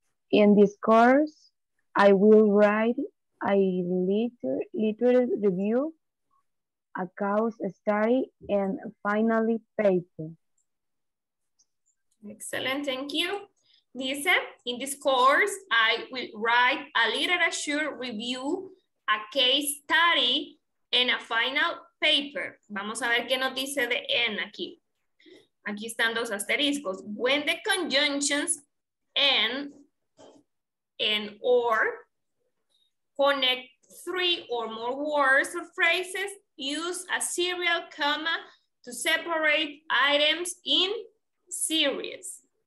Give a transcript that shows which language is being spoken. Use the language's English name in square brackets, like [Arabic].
[English] In this course, I will write a literary review, a case study, and finally paper. Excellent, thank you. [Spanish] Dice, [English] in this course, I will write a literature review, a case study, and a final paper. [Spanish] Vamos a ver qué nos dice de en aquí. Aquí están dos asteriscos. [English] When the conjunctions and or connect three or more words or phrases, use a serial comma to separate items in series.